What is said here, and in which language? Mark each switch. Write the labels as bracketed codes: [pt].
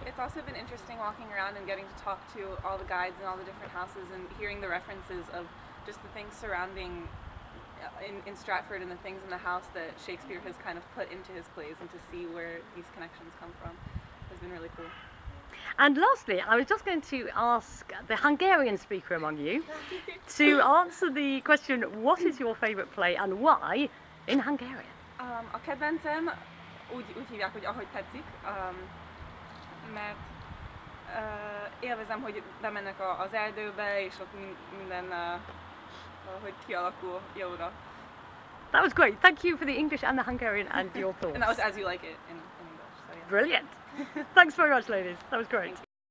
[en] It's also been interesting walking around and getting to talk to all the guides and all the different houses and hearing the references of just the things surrounding in Stratford and the things in the house that Shakespeare has kind of put into his plays, and to see where these connections come from has been really cool. And lastly, I was just going to ask the Hungarian speaker among you to answer the question, what is your favourite play and why in Hungarian? [hu] A kedvencem úgy hívják, hogy ahogy tetszik, mert élvezem, hogy bemennek az erdőbe, és ott minden, hogy kialakul jóra. [en] That was great. Thank you for the English and the Hungarian and your thoughts. And that was As You Like It in English. So yeah. Brilliant. Thanks very much, ladies. That was great.